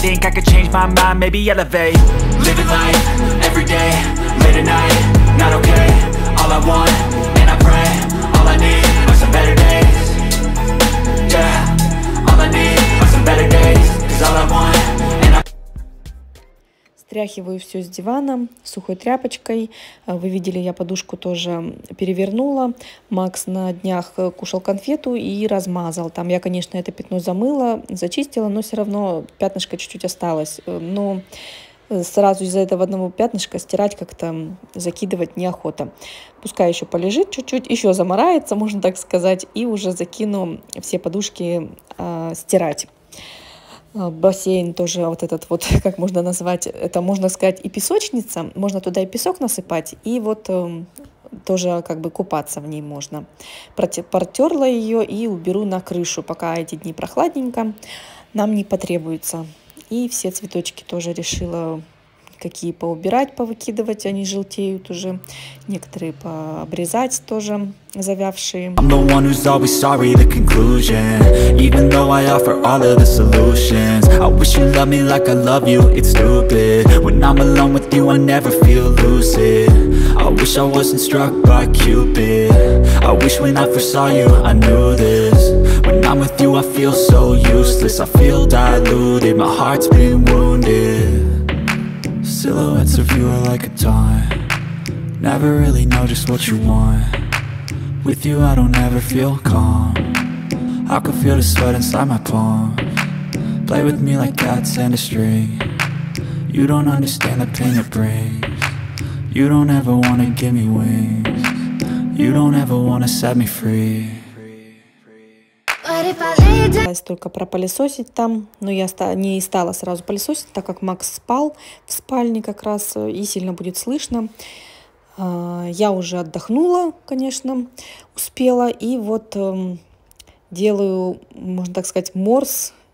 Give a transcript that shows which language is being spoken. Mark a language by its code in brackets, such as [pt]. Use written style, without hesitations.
[en] Think I could change my mind, maybe elevate. Living life, every day, late at night. Not okay, all I want, and I pray. All I need are some better days. Yeah, all I need are some better days. Cause all I want. [ru] Стряхиваю все с дивана сухой тряпочкой. Вы видели, я подушку тоже перевернула. Макс на днях кушал конфету и размазал. Там я, конечно, это пятно замыла, зачистила, но все равно пятнышко чуть-чуть осталось. Но сразу из-за этого одного пятнышка стирать как-то, закидывать неохота. Пускай еще полежит чуть-чуть, еще замарается, можно так сказать, и уже закину все подушки стирать. Бассейн тоже вот этот вот, как можно назвать, это можно сказать и песочница, можно туда и песок насыпать, и вот тоже как бы купаться в ней можно. Протерла ее и уберу на крышу, пока эти дни прохладненько, нам не потребуется. И все цветочки тоже решила какие поубирать, повыкидывать, они желтеют уже. Некоторые пообрезать тоже, завявшие. [en] I'm the one who's always sorry, the conclusion. Even though I offer all of the solutions. I wish you loved me like I love you, it's stupid. When I'm alone with you, I never feel lucid. I wish I wasn't struck by Cupid. I wish when I first saw you, I knew this. When I'm with you, I feel so useless. I feel diluted, my heart's been wounded. Silhouettes of you are like a taunt. Never really know just what you want. With you I don't ever feel calm. I can feel the sweat inside my palms. Play with me like cats and a string. You don't understand the pain it brings. You don't ever wanna give me wings. You don't ever wanna set me free. [ru] Только пропылесосить там, но я не стала сразу пылесосить, так как Макс спал в спальне как раз и сильно будет слышно. Я уже отдохнула, конечно, успела, и вот делаю, можно так сказать, морс